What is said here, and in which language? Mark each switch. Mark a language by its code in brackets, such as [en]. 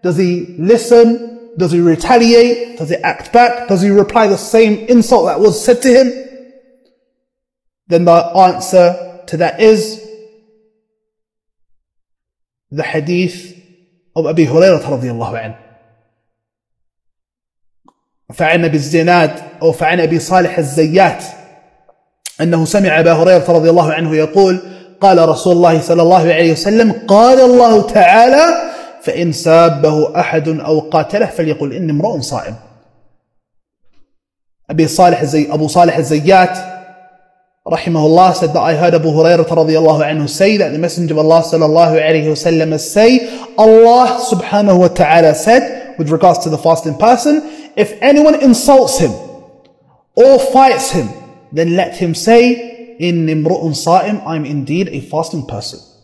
[en] Does he listen? Does he retaliate? Does he act back? Does he reply the same insult that was said to him? Then the answer to that is the hadith of Abi Hurairah radiallahu anhu. [ar] فعن أبي الزناد أو فعن أبي صالح الزيات أنه سمع أبا هريرة رضي الله عنه يقول قال رسول الله صلى الله عليه وسلم قال الله تعالى فإن سابه أحد أو قاتله فليقل إني امرؤ صائم. [en] أبو صالح الزيات [ar] رحمه الله [en] said that I heard أبو هريرة [ar] رضي الله عنه [en] say that the messenger of Allah [ar] صلى الله عليه وسلم [en] say Allah [ar] سبحانه وتعالى [en] said with regards to the fasting person, if anyone insults him or fights him, then let him say, [ar] إِنِّي امْرُؤٌ صَائِمْ, [en] I'm indeed a fasting person.